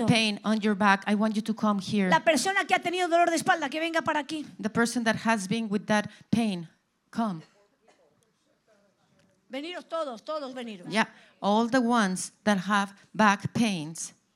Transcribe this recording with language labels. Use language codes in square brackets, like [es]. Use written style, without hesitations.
[en] The pain on your back, I want you to come here. [es] La persona que ha tenido dolor de espalda, que venga para aquí. [en] The person that has being with that pain, come. [es] Veniros todos, todos veniros. [en] Yeah, all the ones that have back pains.